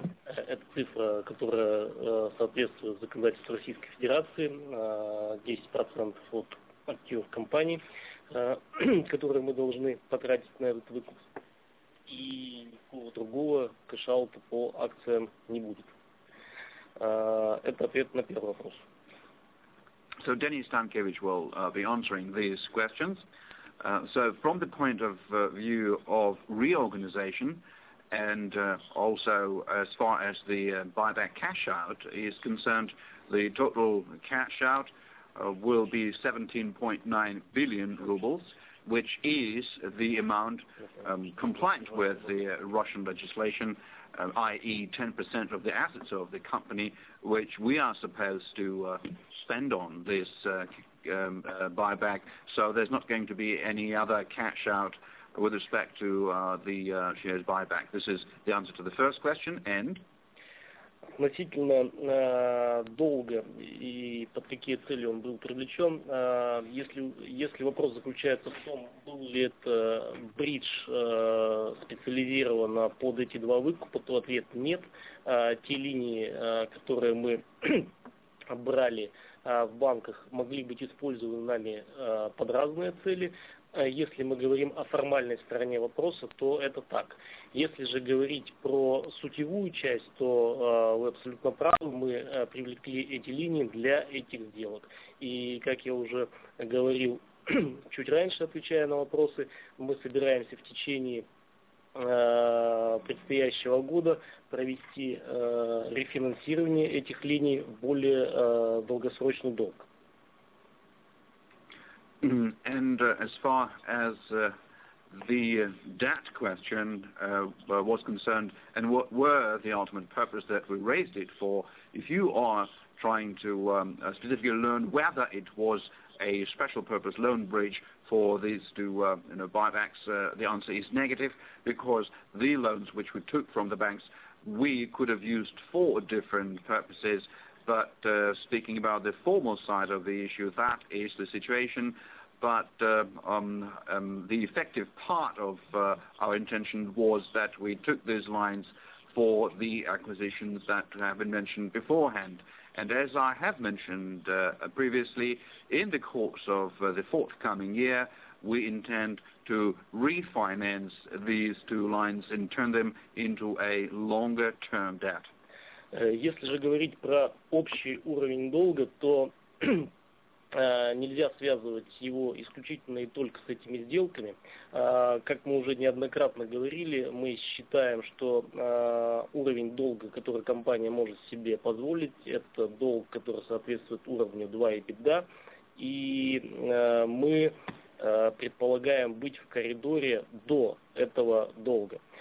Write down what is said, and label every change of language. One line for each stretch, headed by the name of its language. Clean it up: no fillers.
Russian: Это цифра, которая соответствует законодательству Российской Федерации, 10% от активов компании, которые мы должны потратить на этот выкуп. И никакого другого кэш-аута по акциям не будет. Это ответ на первый вопрос.
English: So Denis Stankevich will be answering these questions. So from the point of view of reorganization and also as far as the buyback cash out is concerned, the total cash out will be 17.9 billion rubles, which is the amount compliant with the Russian legislation, i.e. 10% of the assets of the company, which we are supposed to spend on this buyback. So there's not going to be any other cash out with respect to the shares buyback. This is the answer to the first question. And
Russian: относительно долга и под какие цели он был привлечен. Если вопрос заключается в том, был ли это бридж специализированно под эти два выкупа, то ответ нет. Те линии, которые мы брали в банках, могли быть использованы нами под разные цели. Если мы говорим о формальной стороне вопроса, то это так. Если же говорить про сутевую часть, то вы абсолютно правы, мы привлекли эти линии для этих сделок. И, как я уже говорил чуть раньше, отвечая на вопросы, мы собираемся в течение предстоящего года провести рефинансирование этих линий в более долгосрочный долг.
English: And as far as the debt question was concerned, and what were the ultimate purpose that we raised it for, if you are trying to specifically learn whether it was a special purpose loan bridge for these two buybacks, the answer is negative, because the loans which we took from the banks, we could have used for different purposes. But speaking about the formal side of the issue, that is the situation. But the effective part of our intention was that we took these lines for the acquisitions that have been mentioned beforehand. And as I have mentioned previously, in the course of the forthcoming year, we intend to refinance these two lines and turn them into a longer-term debt.
Russian: Если же говорить про общий уровень долга, то нельзя связывать его исключительно и только с этими сделками. Как мы уже неоднократно говорили, мы считаем, что уровень долга, который компания может себе позволить, это долг, который соответствует уровню 2 EBITDA, и мы предполагаем быть в коридоре до этого долга.